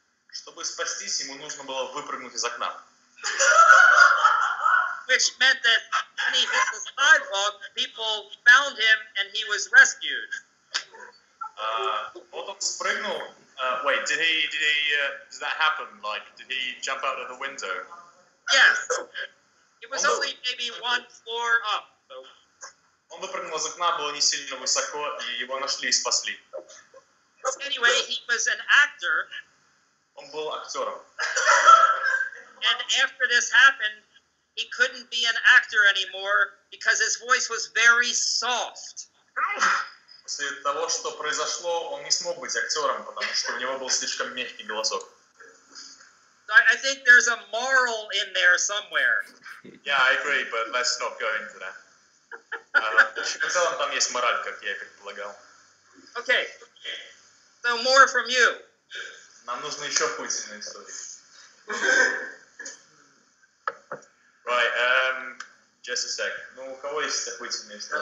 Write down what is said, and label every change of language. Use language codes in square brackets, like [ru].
[ru] Чтобы спастись, ему нужно было выпрыгнуть из окна. [en] Which meant that when he hit the sidewalk, people found him and he was rescued. [ru] Вот он спрыгнул. [en] Wait, did that happen? Like, did he jump out of the window? Yes. It was only maybe one floor up. [ru] Он выпрыгнул из окна, было не сильно высоко, и его нашли и спасли. [en] Anyway, he was an actor. [ru] Он был актером. [en] And after this happened, he couldn't be an actor anymore because his voice was very soft. [ru] После того, что произошло, он не смог быть актером, потому что у него был слишком мягкий голосок. [en] I think there's a moral in there somewhere. Yeah, I agree, but let's not go into that. [ru] В целом там есть мораль, как я предполагал. [en] Okay. So more from you. [ru] Нам нужно еще пути на историю. Right, [en] Just a sec. [ru] Ну, у кого есть охуительные истории?